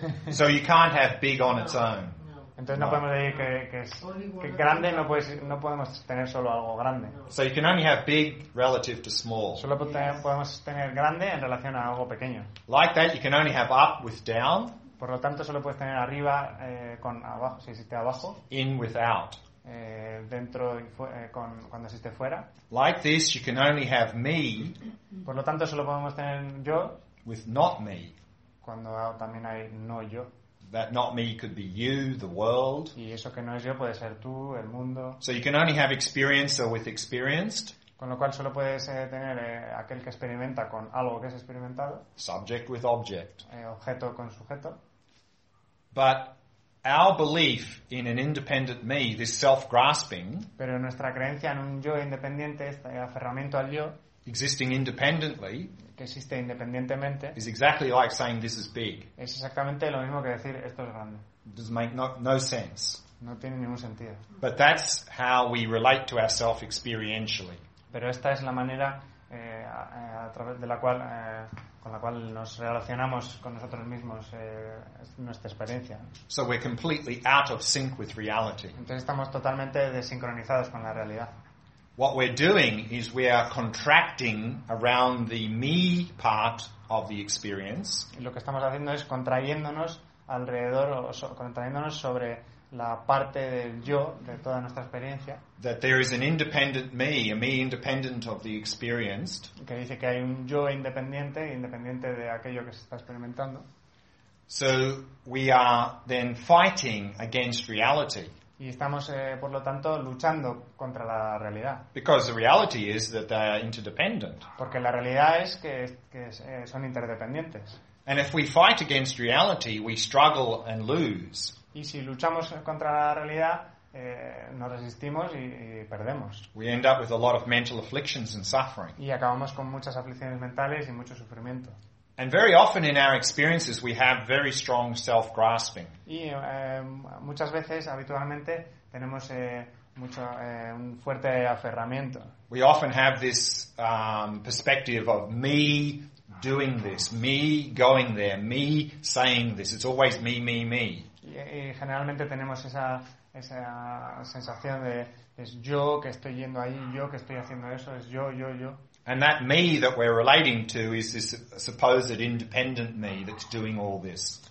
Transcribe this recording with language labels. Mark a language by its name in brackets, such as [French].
[English] So you can't have big on its own. [Spanish] Entonces no podemos decir que grande no podemos tener solo algo grande. [English] So you can only have big relative to small. [Spanish] Solo podemos tener grande en relación a algo pequeño. [English] Like that, you can only have up with down. [Spanish] Por lo tanto, solo puedes tener arriba con abajo, si existe abajo. [English] In with out. [Spanish] Dentro y cuando existe fuera. [English] Like this, you can only have me. [Spanish] Por lo tanto, solo podemos tener yo. [English] With not me. [Spanish] Cuando también hay no yo. [English] That not me could be you, the world. [Spanish] Y eso que no es yo puede ser tú, el mundo. [English] So you can only have experiencer with experienced. [Spanish] Con lo cual solo puedes tener aquel que experimenta con algo que es experimentado. [English] Subject with object. [Spanish] Objeto con sujeto. [English] But our belief in an independent me, this self-grasping. [Spanish] Pero nuestra creencia en un yo independiente, este aferramiento al yo. [English] Existing independently. [Spanish] Que existe independientemente. [English] Is exactly like saying this is big. [Spanish] Es exactamente lo mismo que decir esto es grande. [English] Does make no sense. [Spanish] No tiene ningún sentido. [English] But that's how we relate to ourselves experientially. [Spanish] Pero esta es la manera a través de la cual con la cual nos relacionamos con nosotros mismos nuestra experiencia. [English] So we're completely out of sync with reality. [Spanish] Entonces estamos totalmente desincronizados con la realidad. [English] What we're doing is we are contracting around the me part of the experience. [Spanish] Lo que estamos haciendo es contrayéndonos alrededor o contrayéndonos sobre la parte del yo de toda nuestra experiencia. [English] That there is an independent me, a me independent of the experienced. [Spanish] Que dice que hay un yo independiente, independiente de aquello que se está experimentando. [English] So we are then fighting against reality. [Spanish] Y estamos, por lo tanto, luchando contra la realidad. [English] Because the reality is that they are interdependent. [Spanish] Porque la realidad es que son interdependientes. [English] And if we fight against reality, we struggle and lose. [Spanish] Y si luchamos contra la realidad, nos resistimos y perdemos. [English] We end up with a lot of mental afflictions and suffering. [Spanish] Y acabamos con muchas aflicciones mentales y mucho sufrimiento. [English] And very often in our experiences we have very strong self-grasping. [Spanish] Y muchas veces habitualmente tenemos mucho, un fuerte aferramiento. [English] We often have this perspective of me doing this, me going there, me saying this. It's always me, me, me. [Spanish] Y generalmente tenemos esa sensación de es yo que estoy yendo ahí, yo que estoy haciendo eso, es yo, yo, yo. [English] And that me that we're relating to is this supposed independent me that's doing all this.